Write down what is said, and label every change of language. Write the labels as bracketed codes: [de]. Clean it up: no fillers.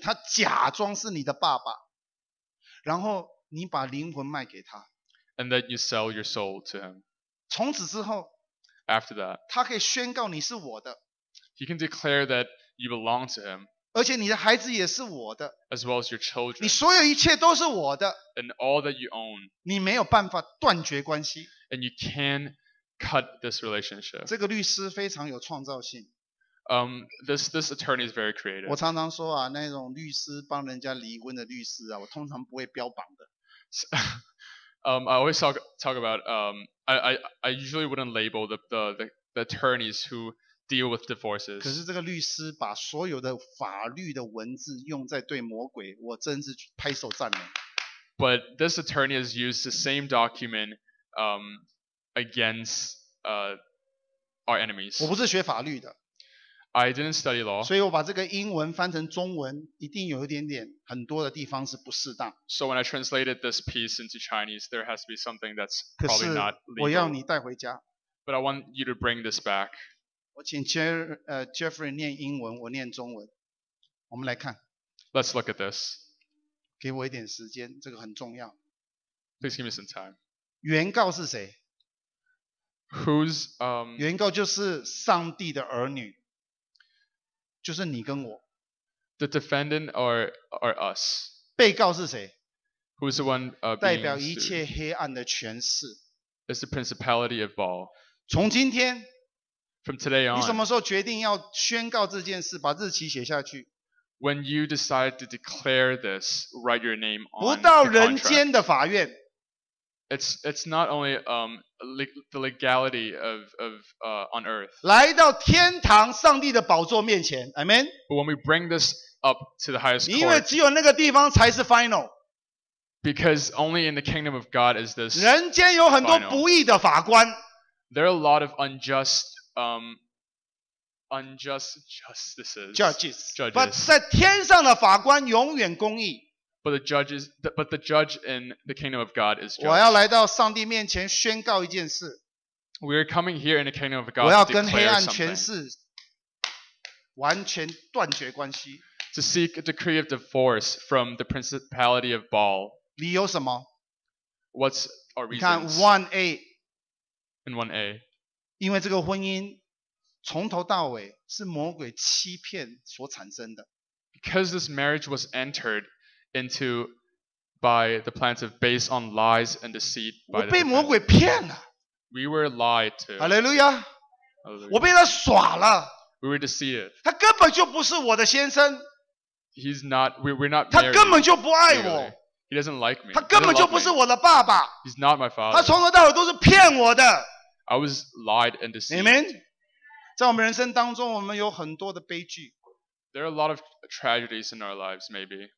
[zh] 他假装是你的爸爸，然后你把灵魂卖给他。 [en] And then you sell your soul to him. [zh] 从此之后 [en] ，After that, [zh] 他可以宣告你是我的。 [en] He can declare that you belong to him. [zh] 而且你的孩子也是我的。 [en] As well as your children. [zh] 你所有一切都是我的。 [en] And all that you own. [zh] 你没有办法断绝关系。 [en] And you can't cut this relationship. [zh] 这个律师非常有创造性。 [en] This attorney is very creative. [zh] 我常常说啊，那种律师帮人家离婚的律师啊，我通常不会标榜的。 [en] I always talk about I usually wouldn't label the attorneys who deal with divorces. [zh] 可是这个律师把所有的法律的文字用在对魔鬼，我真是拍手赞美。 [en] But this attorney has used the same document. Against our enemies. [zh] 我不是学法律的。 [en] I didn't study law. [zh] 所以我把这个英文翻成中文，一定有一点点很多的地方是不适当。 [en] So when I translated this piece into Chinese, there has to be something that's probably not legal. [zh] 可是我要你带回家。 [en] But I want you to bring this back. [zh] 我请Jeffrey 念英文，我念中文。我们来看。 [en] Let's look at this. [zh] 给我一点时间，这个很重要。 [en] Please give me some time. [zh] 原告是谁？ [en] Who's [zh] 原告就是上帝的儿女，就是你跟我。 [en] The defendant are us. [zh] 被告是谁 [en] ？Who's the one being sued? [zh] 代表一切黑暗的权势。 [en] It's the principality of all. [zh] 从今天 [en] ，From today on， [zh] 你什么时候决定要宣告这件事，把日期写下去 [en] ？When you decide to declare this, write your name on the contract. [zh] 不到人间的法院。 [en] It's not only the legality of on earth. [zh] 来到天堂上帝的宝座面前 ，Amen. [en] But when we bring this up to the highest court, [zh] 因为只有那个地方才是 final. [en] Because only in the kingdom of God is this. [zh] 人间有很多不义的法官。 [en] There are a lot of unjust justices. Judges. But [zh] 在天上的法官永远公义。 [en] But the judge in the kingdom of God is just. [zh] 我要来到上帝面前宣告一件事。 [en] We are coming here in the kingdom of God. [zh] 我要跟黑暗权势完全断绝关系。 [en] To seek a decree of divorce from the principality of Baal. [zh] 理由什么 [en] ？What's our reasons? [zh] 你看 1A. [en] In 1A. [zh] 因为这个婚姻从头到尾是魔鬼欺骗所产生的。 [en] Because this marriage was entered. Into by the plans of based on lies and deceit. [zh] 我被魔鬼骗了。 [en] We were lied to. [zh] Hallelujah. 我被他耍了。 [en] We were deceived. [zh] 他根本就不是我的先生。 [en] He's not. We're not. [zh] 他根本就不爱我。 [en] He doesn't like me. [zh] 他根本就不是我的爸爸。 [en] He's not my father. [zh] 他从头到尾都是骗我的。 [en] I was lied and deceived. Amen. [zh] 在我们人生当中，我们有很多的悲剧。 [en] There are a lot of tragedies in our lives, maybe.